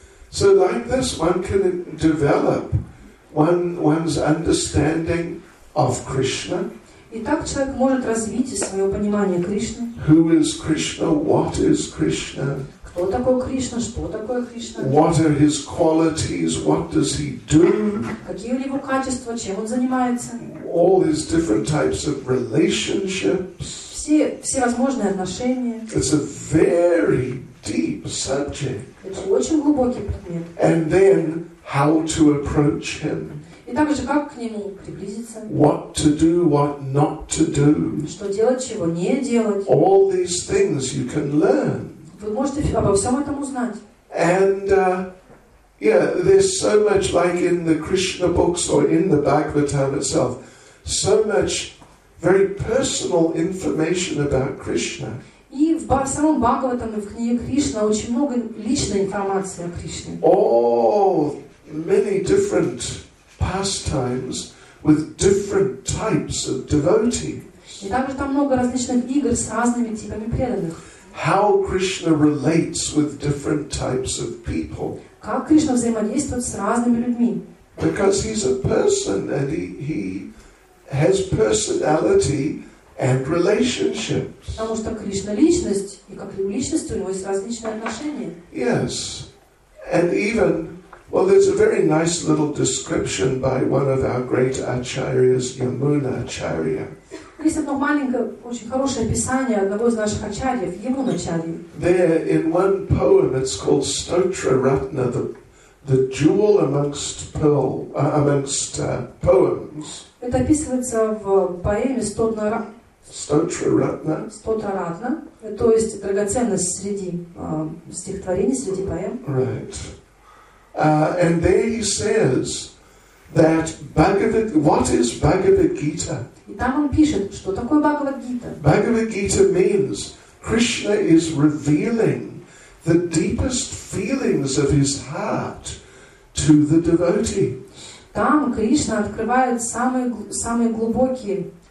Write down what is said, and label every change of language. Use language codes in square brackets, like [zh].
[en] So like this, one can develop one's understanding of Krishna. [ru] И так человек может развить свое понимание Кришны. [en] Who is Krishna? What is Krishna? [ru] Кто такой Кришна? Что такое Кришна? [en] What are his qualities? What does he do? [ru] Какие у него качества? Чем он занимается? [en] All these different types of relationships. [ru] Все возможные отношения. [en] It's a very deep subject. [ru] Это очень глубокий предмет. [en] And then how to approach him. [ru] И также, как к нему приблизиться. [en] What to do, what not to do. [ru] Что делать, чего не делать. [en] All these things you can learn. [ru] Вы можете обо всем этом узнать. [en] And, there's so much, like in the Krishna books or in the Bhagavatam itself, so much very personal information about Krishna. [ru] И в самом Бхагаватам и в книге Кришна очень много личной информации о Кришне. [en] All many different pastimes with different types of devotees. [ru] И также там много различных игр с разными типами преданных. [en] How Krishna relates with different types of people. [ru] Как Кришна взаимодействует с разными людьми. [en] Because he's a person and he has personality and relationships. [ru] Потому что Кришна личность, и как личность у него есть различные отношения. [en] Yes. And even well, there's a very nice little description by one of our great acharyas, Yamuna Acharya. [ru] Есть одно маленькое, очень хорошее описание одного из наших ачарьев, Ямуна Ачарья. [en] There, in one poem, it's called Stotra Ratna, the jewel amongst poems. [ru] Это описывается в поэме Stotra Ratna. Stotra Ratna, то есть драгоценность среди стихотворений, среди поэм. [en] Right. And there he says that what is Bhagavad Gita? [ru] И там он пишет, что такое Бхагавад Гита? [en] Bhagavad Gita means Krishna is revealing the deepest feelings of his heart to the devotees. [ru] Там Кришна открывает самые глубокие